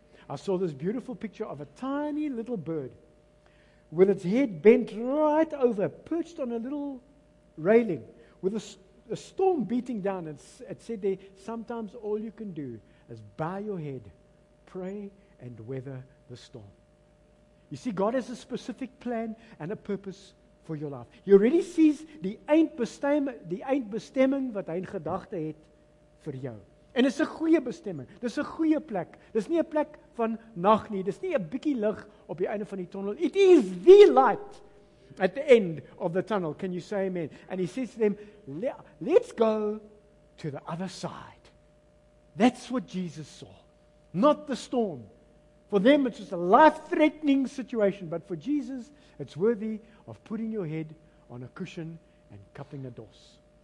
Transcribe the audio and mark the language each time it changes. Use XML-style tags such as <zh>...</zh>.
<en>I saw this beautiful picture of a tiny little bird with its head bent right over, perched on a little railing, with a storm beating down. It said there, "Sometimes all you can do is bow your head, pray, and weather the storm." You see, God has a specific plan and a purpose for your life. He already sees</en> <af>die eindbestemming wat hy in gedagte het vir jou. En dit is 'n goeie bestemming. Dit is 'n goeie plek. Dit is nie 'n plek van nag nie. Dit is nie 'n bietjie lig op die einde van die tunnel.</af> <en>It is the light at the end of the tunnel. Can you say amen? And he says to them, "Let's go to the other side." That's what Jesus saw. Not the storm. For them, it's just a life-threatening situation. But for Jesus, it's worthy of putting your head on a cushion and cupping a dos.</en>